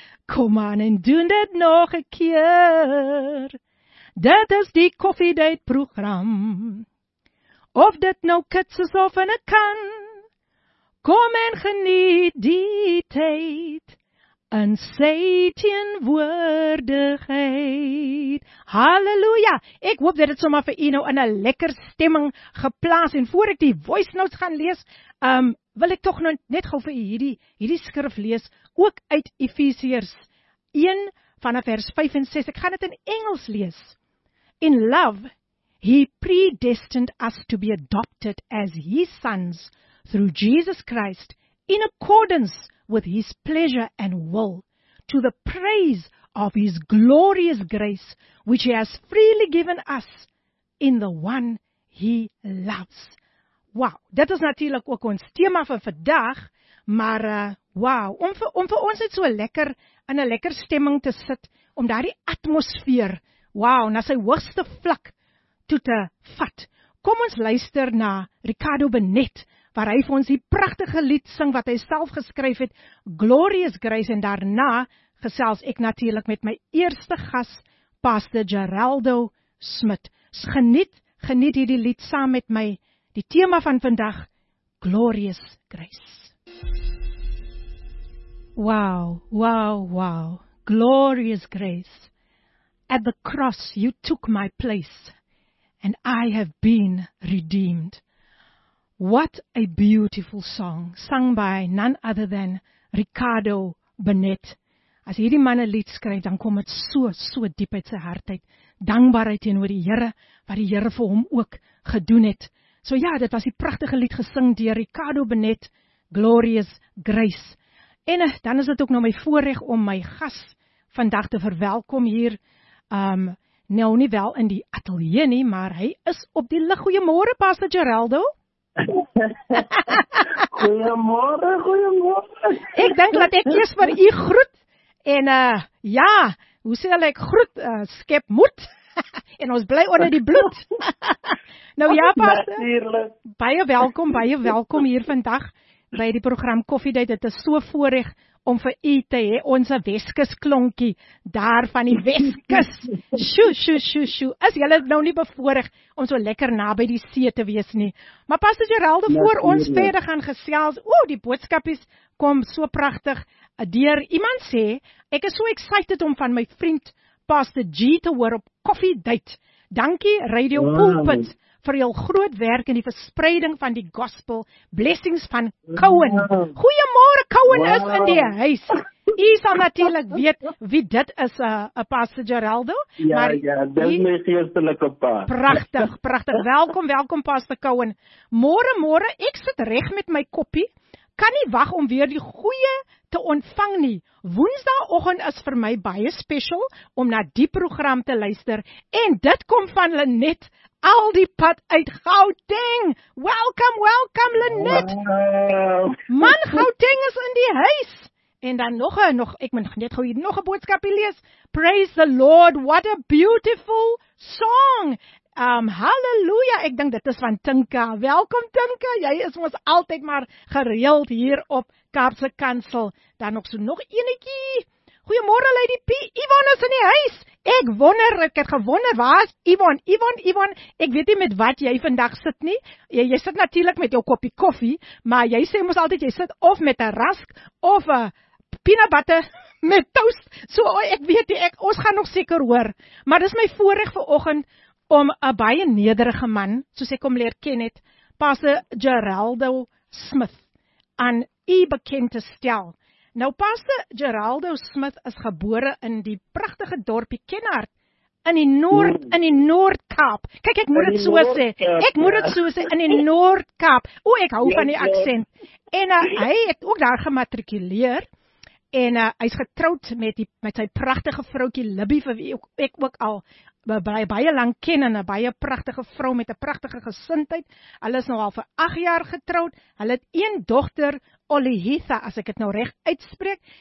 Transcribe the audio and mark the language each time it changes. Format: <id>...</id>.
<af>Kom aan en doen dit nog 'n keer. Dit is die Koffiedייט program. Of dit nou kits is of in 'n kan. Kom en geniet die tyd in sy teenwoordigheid. Halleluja! Ek hoop dat dit sommer vir u nou in 'n lekker stemming geplaas. En voor ek die voice notes gaan lees, wil ek tog nou net gou vir u hierdie skrif lees, ook uit Efesiërs 1 vanaf vers 5 en 6. Ek gaan dit in Engels lees.</af> <en>In love, he predestined us to be adopted as his sons through Jesus Christ in accordance with his pleasure and will, to the praise of his glorious grace, which he has freely given us in the one he loves.</en> <af>Wow, dit is natuurlik ook ons tema vir vandag, maar wow, om vir ons net so lekker in 'n lekker stemming te sit, om daardie atmosfeer, wow, na sy hoogste vlak toe te vat. Kom ons luister na Ricardo Benet, waar hy vir ons die pragtige lied sing wat hy self geskryf het, Glorious Grace, en daarna gesels ek natuurlik met my eerste gas, Pastor Geraldo Smit. Geniet hierdie lied saam met my, die tema van vandag, Glorious Grace.</af> <en>Wow, wow, wow, Glorious Grace. At the cross you took my place, and I have been redeemed. What a beautiful song, sung by none other than Ricardo Benet.</en> <af>As hierdie man 'n lied skryf, dan kom dit so, so diep uit sy hart uit. Dankbaarheid teenoor die Here, wat die Here vir hom ook gedoen het. So ja, dit was die pragtige lied gesing deur Ricardo Benet, Glorious Grace. En dan is dit ook nou my voorreg om my gas vandag te verwelkom hier. Nou nie wel in die ateljee nie, maar hy is op die lig. Goeiemôre, Pastor Geraldo. Goeiemôre. Ek dink dat ek eers vir u groet en ja, hoe sê hulle, ek groet skep moed en ons bly onder die bloed. Nou ja, pastor, baie welkom hier vandag by die program Koffiedייט. Dit is so voorreg om vir u te hê, ons Weskus klonkie daar van die Weskus. Sjoe, sjoe, sjoe, sjoe. As julle nou nie bevoorreg om so lekker naby die see te wees nie. Maar pas as Geraldo voor ons verder gaan gesels. O, die boodskapies kom so pragtig deur. Iemand sê, ek is so excited om van my vriend Pastor G te hoor op Koffiedייט. Dankie Radio Pulpit vir jou groot werk in die verspreiding van die gospel. Blessings van Cowan. Goeiemôre Cowan is in die huis. U sal natuurlik weet wie dit is, 'n Pastor Geraldo. Ja, maar ja, dit is my geestelike pa. Prachtig, prachtig. Welkom, welkom Pastor Cowan. Môre, môre, ek sit reg met my koppie. Kan nie wag om weer die goeie te ontvang nie. Woensdagoggend is vir my baie special om na die program te luister en dit kom van Lenet al die pad uit Gauteng.</af> <en>Welcome, welcome</en> <af>Lenet. Man, Gauteng is in die huis. En dan nog, ek moet net gou hier nog 'n boodskapie lees.</af> <en>Praise the Lord, what a beautiful song.</en> <af>Halleluja, ek dink dit is van Tinka. Welkom Tinka, jy is ons altyd maar gereeld hier op Kaapse Kansel. Dan nog so nog enetjie. Goeiemôre Lady P, Yvonne is in die huis. Ek het gewonder, waar is Yvonne, ek weet nie met wat jy vandag sit nie. Jy sit natuurlik met jou koppie koffie, maar jy sê mos altyd jy sit of met 'n rask of 'n peanut butter met toast. So ek weet nie, ons gaan nog seker hoor. Maar dis my voorreg vanoggend om 'n baie nederige man, soos ek hom leer ken het, Pastor Geraldo Smith, aan u bekend te stel. Nou, Pastor Geraldo Smith is gebore in die pragtige dorpie Kenhardt, in die Noord-Kaap. Kyk, ek moet dit so sê. In die Noord-Kaap. O, ek hou van die aksent. En hy het ook daar gematrikuleer. En hy is getroud met sy pragtige vroutjie Libby, vir wie ek ook al baie lang ken, en 'n baie pragtige vrou met 'n pragtige gesindheid. Hulle is nou al vir 8 jaar getroud. Hulle het een dogter, Olitha, as ek dit nou reg uitspreek.</af>